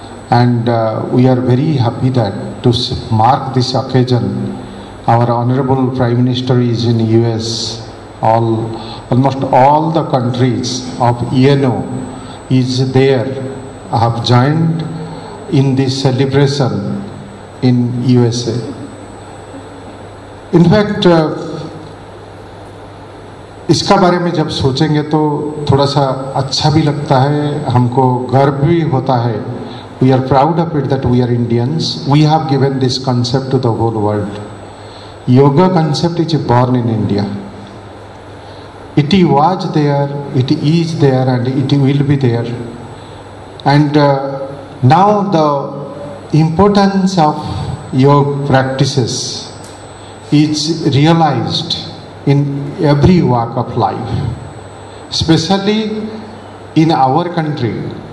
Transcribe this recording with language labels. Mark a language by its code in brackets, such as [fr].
[en] And we are very happy that to mark this occasion, our Honorable Prime Minister is in US. Almost all the countries of ENO is there, have joined in this celebration in USA. In fact, [hi] इसका बारे में जब सोचेंगे तो थोड़ा सा अच्छा भी लगता है, हमको गर्व भी होता है. [en] We are proud of it that we are Indians. We have given this concept to the whole world. Yoga concept is born in India. It was there, it is there, and it will be there. And now the importance of yoga practices is realized in every walk of life, especially in our country.